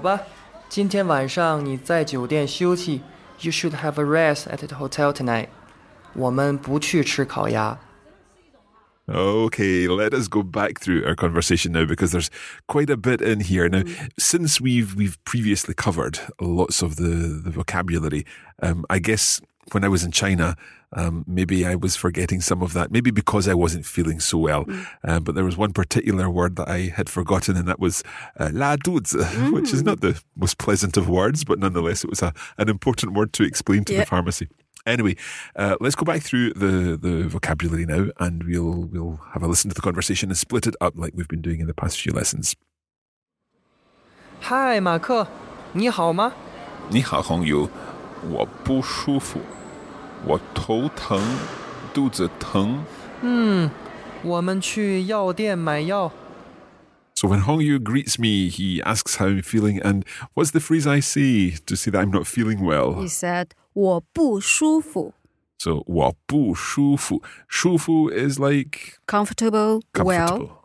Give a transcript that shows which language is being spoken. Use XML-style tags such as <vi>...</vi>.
<zh>我给你开药，这个药治拉肚子，一次吃三片，一天两次。你这几天不可以吃太辣的东西，也不可以喝酒。谢谢您。一共30元。给您，谢谢。不用谢。走吧，今天晚上你在酒店休息。</zh> <en>You should have a rest at the hotel tonight.</en> <zh>我们不去吃烤鸭。</zh> <en>Okay, let us go back through our conversation now because there's quite a bit in here. Now, since we've previously covered lots of the vocabulary, I guess when I was in China, maybe I was forgetting some of that, maybe because I wasn't feeling so well. But there was one particular word that I had forgotten, and that was la duzi, which is not the most pleasant of words, but nonetheless, it was an important word to explain to the pharmacy. Anyway, let's go back through the vocabulary now and we'll have a listen to the conversation and split it up like we've been doing in the past few lessons.</en> <zh>Hi, 马克, 你好吗? 你好, 红友, 我不舒服, 我头疼, 肚子疼。我们去药店买药。</zh> <en>So when Hongyu greets me, he asks how I'm feeling, and what's the phrase I say to say that I'm not feeling well? He said,</en> <zh>我不舒服. So 我不舒服.舒服</zh> <en>is like... Comfortable, well.</en>